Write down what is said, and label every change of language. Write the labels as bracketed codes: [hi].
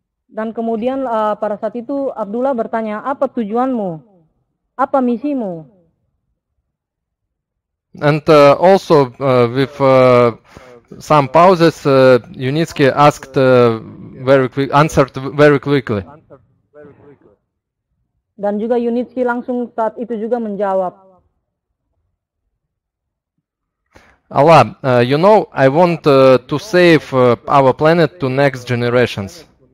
[id] Dan kemudian pada saat itu Abdullah bertanya, apa tujuanmu? Apa misimu? [en] And also with some pauses, Yunitskiy asked answered very quickly. [id] Dan juga Yunitskiy langsung saat itu juga menjawab. [en] Ala, you know, I want to save our planet to next generations.